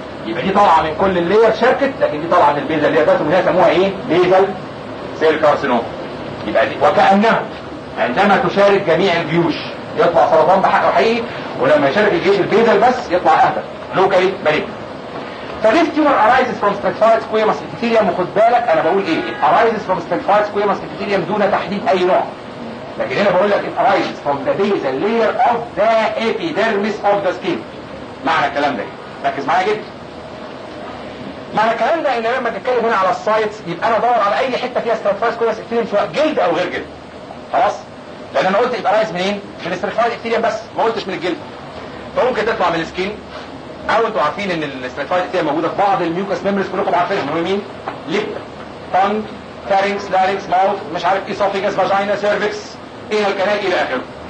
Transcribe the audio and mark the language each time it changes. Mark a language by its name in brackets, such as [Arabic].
[Arabic] يبقى دي طالعه من كل اللير شاركت لكن دي طالعه من البيزا لير ده ومن هنا سموها ايه؟ بيزا سيل كارسينوما. يبقى دي وكانه عندما تشارك جميع الجيوش يطلع سرطان بحق حقيقي ولما يشارك الجيش البيزا بس يطلع اهدر لوكالي مالجننت. [English] فديس tumour arises from stratified squamous epithelium. [Arabic] وخد بالك انا بقول ايه [English] arises from stratified squamous epithelium [Arabic] دون تحديد اي نوع لكن انا بقول لك [English] arises from the basal layer of the epidermis of the skin. [Arabic] معنى الكلام ده ركز معايا جدا. معنى الكلام ده ان لما تتكلم هنا على السايتس يبقى انا ادور على اي حته فيها stratified squamous epithelium سواء جلد او غير جلد خلاص لان انا قلت يبقى arise منين من stratified epithelium بس ما قلتش من الجلد فممكن تطلع من السكين او انتوا عارفين ان الاستراتيفايد دي موجوده في بعض الميوكس ميمبرز كلكم عارفينها هم مين لب تانج فارينكس لارينكس ماوث مش عارف ايه اسوفاجس فاجينا سيرفكس ايه الكلام الى اخره.